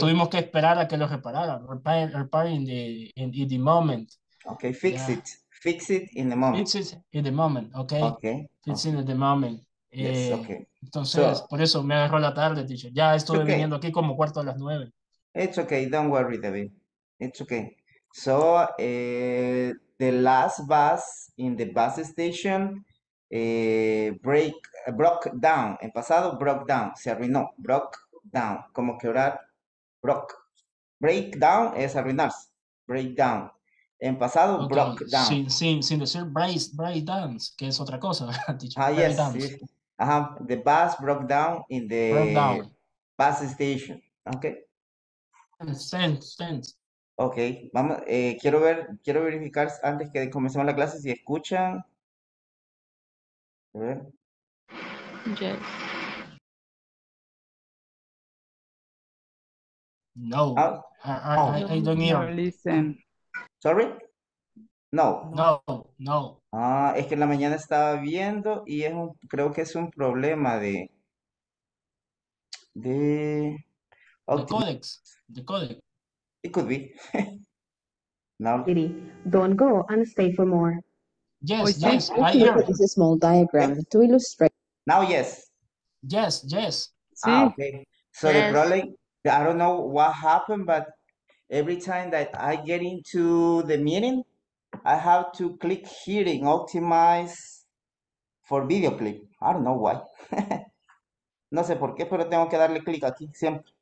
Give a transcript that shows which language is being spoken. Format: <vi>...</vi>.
<es>Tuvimos que esperar a que lo repararan.</es> <en>Repair in the moment. Okay, fix it. Fix it in the moment. Fix it in the moment, okay? Okay. Fix it in the moment. Yes, okay.</en> <es>Entonces, so, por eso me agarró la tarde, teacher. Ya estuve viniendo aquí como cuarto a las 9.</es> <en>It's okay, don't worry, David. It's okay. So, the last bus in the bus station broke down.</en> <es>En pasado, broke down. Se arruinó. Broke down. Como quebrar. Broke. Break down es arruinarse. Break down. En pasado, okay. Broke down. Sin decir break down, que es otra cosa, teacher.</es> <en>Ah, yes. The bus broke down in the bus station. Okay. Sense.</en> <es>Okay, vamos. Quiero verificar antes que comencemos la clase si escuchan. A ver.</es> <en>Yes. No. I don't hear. Listen. Sorry. No. No. No.</en> <es>Ah, es que en la mañana estaba viendo y es un, creo que es un problema de</es> <en>The codex. It could be. No. Kitty, don't go and stay for more. Yes. I hear. This is a small diagram to illustrate. Now, yes. Yes. See? Ah, okay. So yes. The problem, I don't know what happened, but every time that I get into the meeting, I have to click here in optimize for video clip. I don't know why.</en> <es>No sé por qué, pero tengo que darle clic aquí siempre.</es>